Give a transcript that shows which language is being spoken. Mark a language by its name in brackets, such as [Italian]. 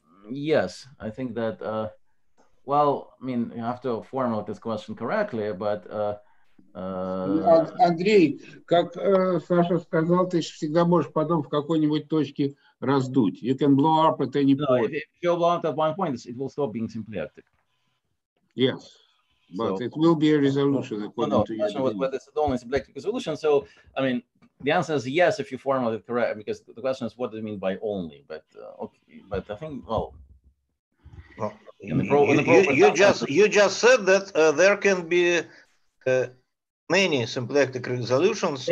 [English] Yes, I think that, you have to formulate this question correctly, but [Russian] Андрей, как Саша сказал, ты всегда можешь потом в какой-нибудь точке раздуть. [English] You can blow up at any point. If you blow up at one point, it will stop being symplectic. Yes, but so, it will be a resolution according to you. No, the question was whether it's only symplectic resolution. So, I mean, the answer is yes if you formulate it correct, because the question is what do you mean by only? But you just said that there can be many symplectic resolutions.